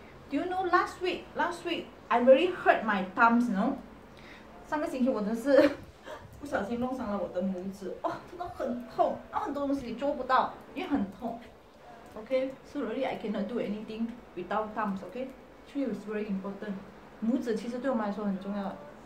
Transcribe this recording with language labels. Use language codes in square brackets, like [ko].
[en] Do you know last week I really hurt my thumbs, you know? [zh] 上个星期我真是不小心弄伤了我的拇指，哦，真的很痛，啊，很多东西你做不到，也很痛。 [en] Okay, so really I cannot do anything without thumbs, okay? Three is very important. [zh] 拇指其实对我们来说很重要。